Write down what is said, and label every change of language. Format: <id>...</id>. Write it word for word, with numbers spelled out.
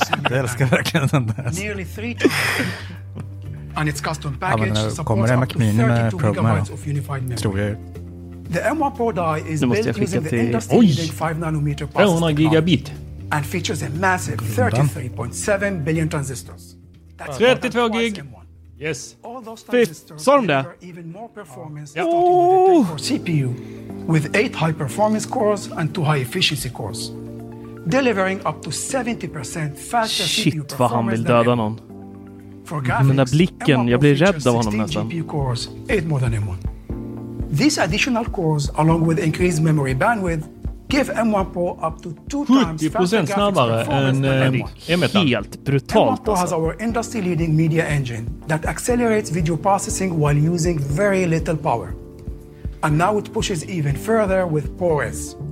<sv>Jag älskar verkligen den där. Ja, men nu kommer det Mac Mini med Pro, tror jag. Nu måste jag skicka till... Oj! trehundra gigabit.</sv> <en>And features a massive thirty-three point seven billion transistors.</en> <sv>That's trettiotvå gig. Yes. Fifth. Sa de det? Åh!</sv> <en>C P U with eight high performance cores and two high efficiency cores, delivering up to seventy percent faster Shit, C P U</en> <sv>vad han vill döda någon. Graphics, den där blicken, jag blir rädd av honom nästan.</sv> <en>G P U cores, eight more than M one. These additional cores along with increased memory bandwidth give M one Pro up to two times</en> <sv>sjuttio procent snabbare än M ett. M ett. Helt brutalt.</sv> <en>M one Pro has our industry-leading media engine that accelerates video processing while using very little power. And now it pushes even further with ProRes.</en>